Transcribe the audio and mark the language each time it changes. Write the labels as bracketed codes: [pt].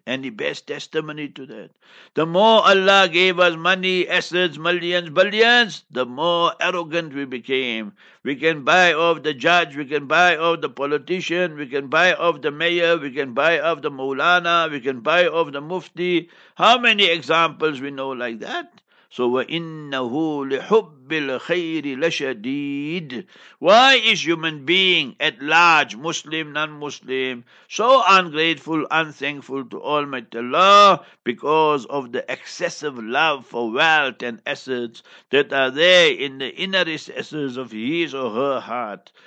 [en] And the best testimony to that. The more Allah gave us money, assets, millions, billions, the more arrogant we became. We can buy off the judge, we can buy off the politician, we can buy off the mayor, we can buy off the Moulana, we can buy off the Mufti. How many examples we know like that? So [ar] وَإِنَّهُ لِحُبِّ الْخَيْرِ لَشَدِيدٌ. [en] Why is human being at large, Muslim, non-Muslim, so ungrateful, unthankful to Almighty Allah? Because of the excessive love for wealth and assets that are there in the inner recesses of his or her heart.